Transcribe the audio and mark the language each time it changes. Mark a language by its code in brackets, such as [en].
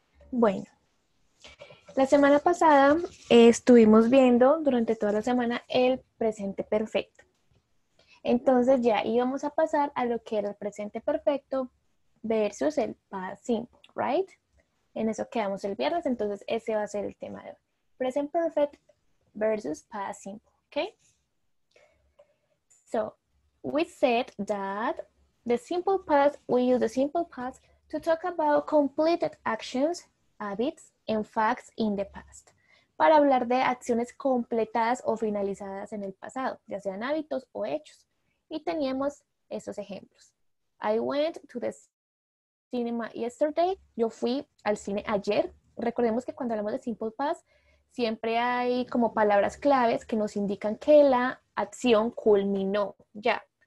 [es] Bueno, la semana pasada estuvimos viendo durante toda la semana el presente perfecto. Entonces ya íbamos a pasar a lo que era el presente perfecto versus el past simple, right? En eso quedamos el viernes, entonces ese va a ser el tema de hoy. [en] Present perfect versus past simple, okay? So, we said that the simple past, we use the simple past to talk about completed actions, habits, and facts in the past. [es] Para hablar de acciones completadas o finalizadas en el pasado, ya sean hábitos o hechos. Y teníamos esos ejemplos. [en] I went to the cinema yesterday. [es] Yo fui al cine ayer. Recordemos que cuando hablamos de simple past, siempre hay como palabras claves que nos indican que la acción culminó ya.